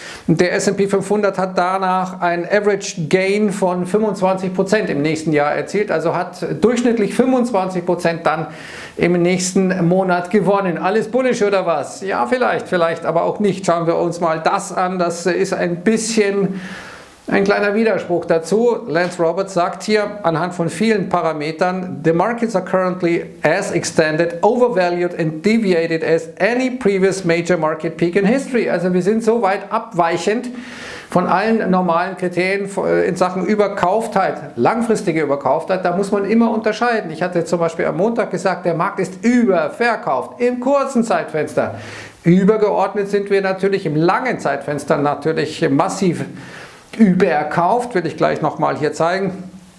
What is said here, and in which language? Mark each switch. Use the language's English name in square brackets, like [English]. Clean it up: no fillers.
[German] Der S&P 500 hat danach ein Average Gain von 25% im nächsten Jahr erzielt, also hat durchschnittlich 25% dann im nächsten Monat gewonnen. Alles bullish oder was? Ja, vielleicht, aber auch nicht. Schauen wir uns mal das an. Das ist ein bisschen ein kleiner Widerspruch dazu. [English] Lance Roberts [German] sagt hier anhand von vielen Parametern, [English] the markets are currently as extended, overvalued and deviated as any previous major market peak in history. [German] Also wir sind so weit abweichend von allen normalen Kriterien in Sachen Überkauftheit, langfristige Überkauftheit, da muss man immer unterscheiden. Ich hatte zum Beispiel am Montag gesagt, der Markt ist überverkauft im kurzen Zeitfenster. Übergeordnet sind wir natürlich im langen Zeitfenster natürlich massiv überkauft, will ich gleich nochmal hier zeigen.